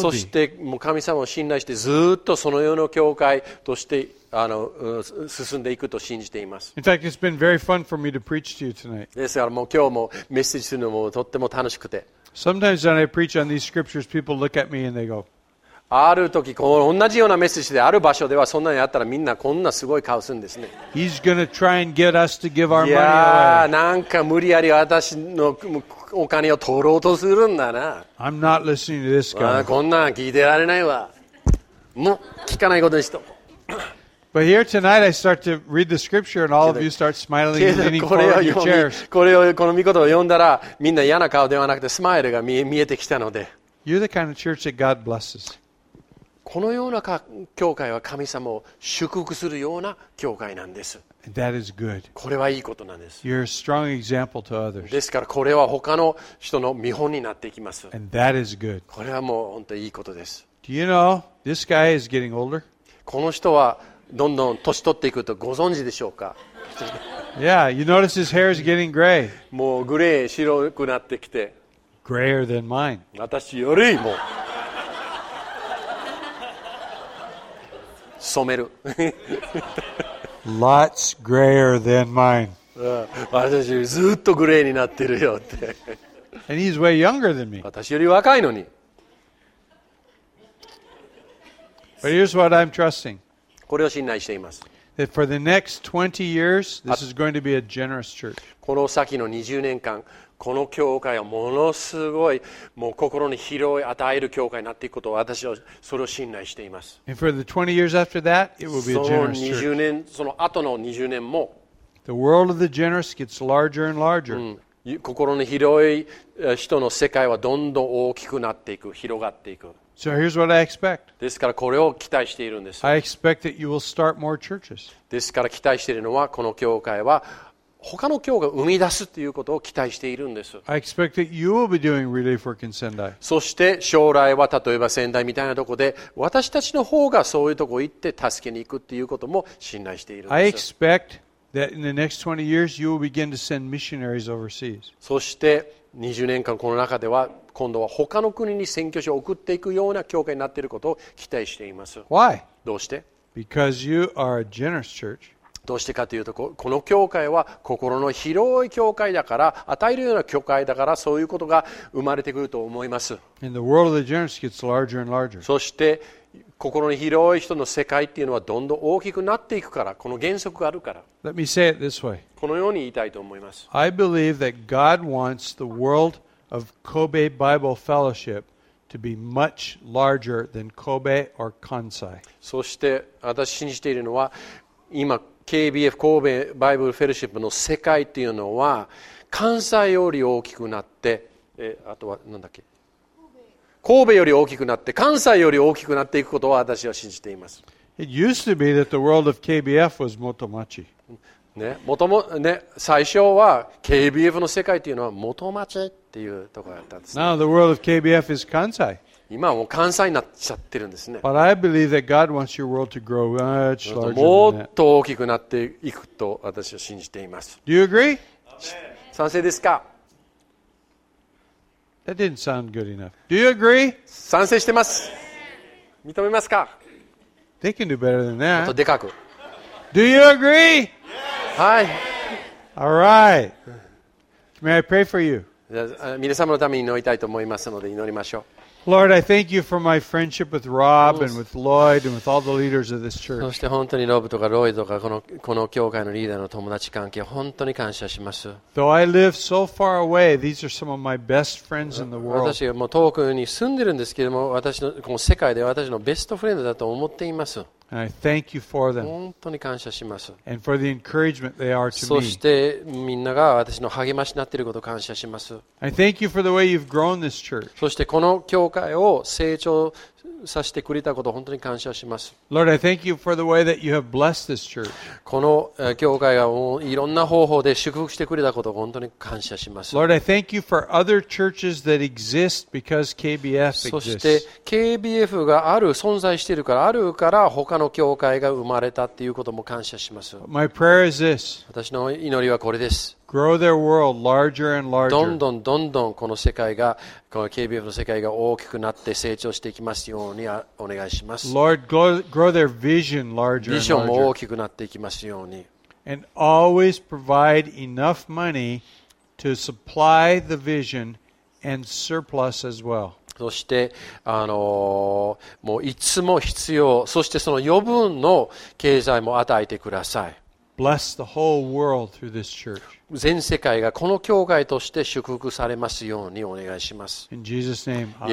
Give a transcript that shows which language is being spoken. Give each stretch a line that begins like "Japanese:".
Japanese: そして、もう神様を信頼して、ずっとそのような教会として、進んでいくと信じています。
English: In fact, it's been very fun for me to preach to you tonight.
Japanese: ですから、もう今日もメッセージするのもとっても楽しくて。
English: Sometimes when I preach on these scriptures, people look at me and they go,
Japanese: ある時、同じようなメッセージである場所ではそんなにあったらみんなこんなすごい顔するんですね。
English: He's gonna try and get us to give our money away.
Japanese: いやー、なんか無理やり私のお金を取ろうとするんだな。
English: I'm not listening to this guy.
Japanese: こんなん聞いてられないわ。もう聞かないことにしとこう。
English: But here tonight I start to read the scripture and all of you start smiling and leaning forward in your chairs.
Japanese: この御言葉を読んだらみんな嫌な顔ではなくてスマイルが見えてきたので。
English: You're the kind of church that God blesses.
Japanese: このような教会は神様を祝福するような教会なんです。
English: That is good.
Japanese: これはいいことなんです。
English: You're a strong example to others.
Japanese: ですからこれは他の人の見本になっていきます。
English: And that is good.
Japanese: これはもう本当にいいことです。
English: Do you know, this guy is getting older?
Japanese: この人はどんどん年取っていくとご存知でしょうか?
English: Yeah, you notice his hair is getting gray.
Japanese: もうグレー、白くなってきて。
English: Grayer than mine.
Japanese: 私よりも。染める。
English: Lots grayer than mine.
Japanese: 私ずっとグレーになってるよって。
English: And he's way younger than me.
Japanese: 私より若いのに。
English: But here's what I'm trusting.
Japanese: これを信頼しています。
English: That for the next 20 years, this is going to be a generous church.
Japanese: この先の20年間、この教会はものすごいもう心に疲労を与える教会になっていくことを私はそれを信頼しています。その 20年その後の20年も
English: The world of the generous gets larger and larger.
Japanese: 心に広い人の世界はどんどん大きくなっていく広がっていく。
English: So here's what I expect.
Japanese: ですからこれを期待しているんです。
English: I expect that you will start more churches.
Japanese: ですから期待しているのはこの教会は他の教会を生み出すということを期待しているんです。
English: I expect that you will be doing relief work in Sendai.
Japanese: そして将来は例えば仙台みたいなところで私たちの方がそういうところ行って助けに行くということも信頼しているんです。
English: I expect that in the next 20 years you will begin to send missionaries overseas.
Japanese: そして20年間この中では今度は他の国に宣教師を送っていくような教会になっていることを期待しています。
English: Why?
Japanese: どうして?
English: Because you are a generous church.
Japanese: どうしてかというとこの教会は心の広い教会だから与えるような教会だからそういうことが生まれてくると思います。
English: And the world of the generous gets larger and larger.
Japanese: そして心の広い人の世界っていうのはどんどん大きくなっていくからこの原則があるから
English: Let me say it this way.
Japanese: このように言いたいと思います。
English: I believe that God wants the world of Kobe Bible Fellowshipto be much larger than Kobe or Kansai.
Japanese: そして私信じているのは今KBF 神戸バイブルフェルシップの世界っていうのは関西より大きくなってあとは何だっけ神戸より大きくなって関西より大きくなっていくことは私は信じています。
English: It used to be that the world of KBF was Motomachi.
Japanese: ね、最初は KBF の世界っていうのは Motomachi っていうところだったんです、ね、
English: Now the world of KBF is Kansai.
Japanese: 今はもう関西になっちゃってるんですね。
English: But I believe that God wants your world to grow much larger than that.
Japanese: もっと大きくなっていくと私は信じています。
English: Do you agree?
Japanese: 賛成ですか?
English: That didn't sound good enough. Do you agree?
Japanese: 賛成してます。認めますか?
English: They can do better than that.
Japanese: もっとでかく。
English: Do you agree?
Japanese: はい。
English: All right. May I pray for you?
Japanese: 皆様のために祈りたいと思いますので祈りましょう。
English: Lord, I thank you for my friendship with Rob and with Lloyd and with all the leaders of this church.
Japanese: そして本当にロブとかロイとかこの教会のリーダーの友達関係本当に感謝します。
English: Though I live so far away, these are some of my best friends in the world.
Japanese: 私はもう遠くに住んでるんですけども、私のこの世界で私のベストフレンドだと思っています。
English: And I thank you for them.
Japanese: 本当に感謝します。
English: And for the encouragement they are to me.
Japanese: そしてみんなが私の励ましになっていることを感謝します。
English: I thank you for the way you've grown this church.
Japanese: そしてこの教会を成長させてくれたことを本当に感謝します。
English: Lord, I thank you for the way that you have blessed this church.
Japanese: この教会がいろんな方法で祝福してくれたことを本当に感謝します。
English: Lord, I thank you for other churches that exist because KBF exists.
Japanese: そして KBF がある存在しているからあるから他の教会が生まれたっていうことも感謝します。
English: My prayer is this.
Japanese: 私の祈りはこれです。
English: grow their world larger and larger.
Japanese: どんどんどんどんこの世界が、この KBF の世界が大きくなって成長していきますようにお願いします。
English: Lord, grow their vision larger and larger.
Japanese: ビジョンも大きくなっていきますように。
English: And always provide enough money to supply the vision and surplus as well.
Japanese: そしてもういつも必要、そしてその余分の経済も与えてください。
English: Bless the whole world through this church.
Japanese: 全世界がこの教会として祝福されますようにお願いします。
English: In Jesus' name, Amen.